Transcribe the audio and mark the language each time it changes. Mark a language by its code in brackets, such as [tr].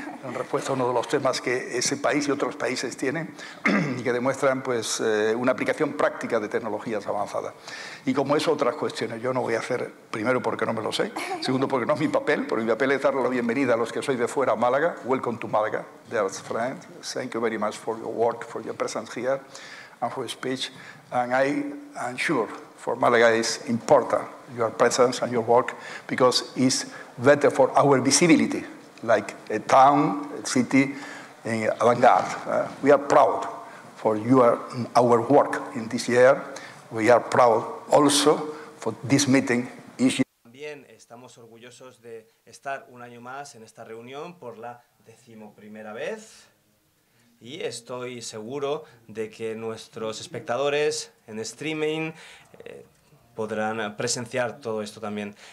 [es] En respuesta a uno de los temas que ese país y otros países tienen y que demuestran pues, una aplicación práctica de tecnologías avanzadas. Y como eso, otras cuestiones. Yo no voy a hacer, primero porque no me lo sé, segundo porque no es mi papel, pero mi papel es darle la bienvenida a los que sois de fuera a Málaga. [en] Welcome to Málaga, dear friend. Thank you very much for your work, for your presence here and for your speech. And I am sure for Málaga is important. Your presence and your work, because it's better for our visibility, like a town, a city, in avant-garde. We are proud for our work in this year. We are proud also for this meeting. [es] También estamos orgullosos de estar un año más en esta reunión por la decimoprimera vez. Y estoy seguro de que nuestros espectadores en streaming podrán presenciar todo esto también.